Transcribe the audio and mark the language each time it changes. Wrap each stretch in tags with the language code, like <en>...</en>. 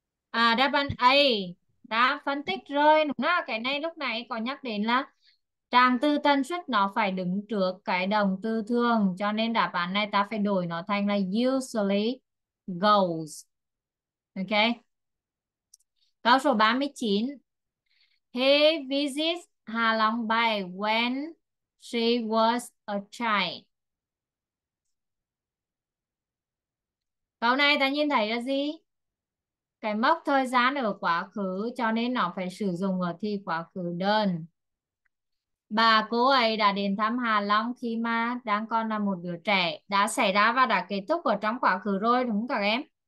<vi>À, đáp án A. Đã phân tích rồi đúng không? Cái này lúc nãy có nhắc đến là tràng từ tần suất nó phải đứng trước cái động từ thường, cho nên đáp án này ta phải đổi nó thành là</vi> <en>usually goes.</en> <vi>Ok. Câu số 39.</vi> <en>He visits Ha Long Bay when she was a child.</en> <vi>Câu này ta nhìn thấy là gì? Cái mốc thời gian ở quá khứ, cho nên nó phải sử dụng ở thi quá khứ đơn. Bà cô ấy đã đến thăm Hà Long khi mà đang còn là một đứa trẻ, đã xảy ra và đã kết thúc ở trong quá khứ rồi đúng không các em?</vi>